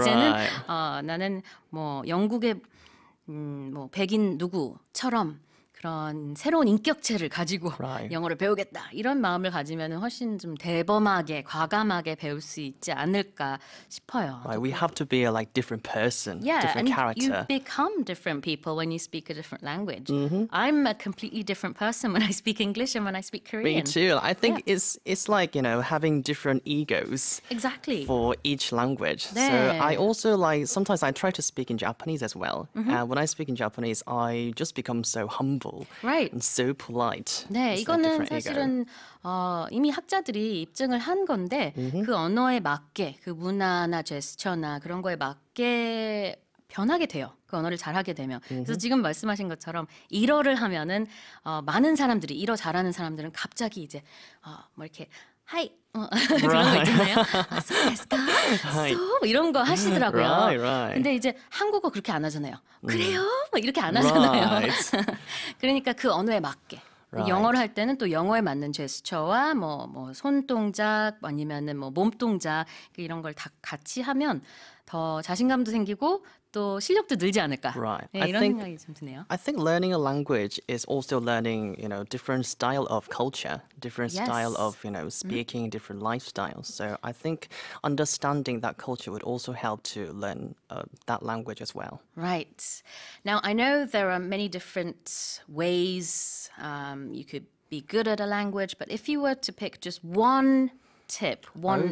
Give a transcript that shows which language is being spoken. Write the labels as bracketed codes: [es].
[ko] 이제는 나는 뭐 영국의 뭐 백인 누구처럼 그런 새로운 인격체를 가지고 [en] right. [ko] 영어를 배우겠다 이런 마음을 가지면은 훨씬 좀 대범하게 과감하게 배울 수 있지 않을까 싶어요. [en] Right. We have to be a like different person, yeah, different character. You become different people when you speak a different language. Mm-hmm. I'm a completely different person when I speak English and when I speak Korean. Me too. I think yeah. it's like, you know, having different egos exactly. for each language. [ko] 네. [en] So I also like sometimes I try to speak in Japanese as well. Mm-hmm. And when I speak in Japanese, I just become so humble. Right. And so polite. [ko] 네, [en] it's [ko] 이거는 사실은 이미 학자들이 입증을 한 건데 mm-hmm. 그 언어에 맞게 그 문화나 제스처나 그런 거에 맞게 변하게 돼요. 그 언어를 잘하게 되면. Mm-hmm. 그래서 지금 말씀하신 것처럼 일어를 하면은 많은 사람들이 일어 잘하는 사람들은 갑자기 이제 뭐 이렇게 하이 그런 거 있잖아요. 소 이런 거 하시더라고요. [en] Right, right. [ko] 근데 이제 한국어 그렇게 안 하잖아요. 그래요? 뭐 이렇게 안 하잖아요. [en] Right. [ko] 그러니까 그 언어에 맞게 [en] right. [ko] 영어를 할 때는 또 영어에 맞는 제스처와 뭐 손 동작 아니면은 뭐 몸 동작 이런 걸 다 같이 하면 더 자신감도 생기고 또 실력도 늘지 않을까. [en] Right. [ko] 네, 이런 생각이 좀 드네요. [en] I think learning a language is also learning, you know, different style of culture, different yes. style of, you know, speaking, mm-hmm. different lifestyles. So I think understanding that culture would also help to learn that language as well. Right. Now, I know there are many different ways you could be good at a language, but if you were to pick just one tip, one